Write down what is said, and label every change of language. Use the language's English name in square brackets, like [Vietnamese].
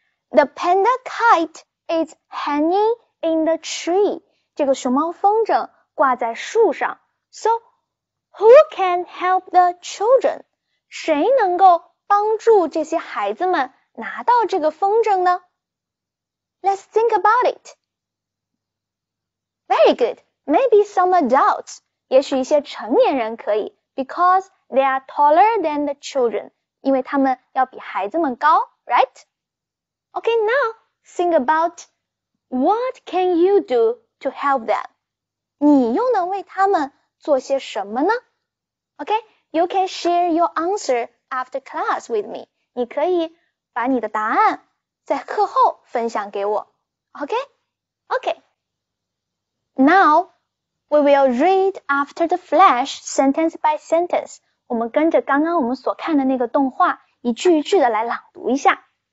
[English] The panda kite is hanging in the tree. [Chinese] 这个熊猫风筝挂在树上。 [English] So, who can help the children? [Chinese] 谁能够帮助这些孩子们拿到这个风筝呢? [English] Let's think about it. Very good. Maybe some adults. [Chinese] 也许一些成年人可以, [English] because they are taller than the children. [Chinese] 因为他们要比孩子们高 ,right? [English] Okay, now, think about what can you do to help them? [Chinese] 你又能为他们做些什么呢? [English] Okay, you can share your answer after class with me. [Chinese] 你可以把你的答案在课后分享给我。 [English] Okay? Okay. Now, we will read after the flash sentence by sentence. [Chinese] 我们跟着刚刚我们所看的那个动画，一句一句的来朗读一下。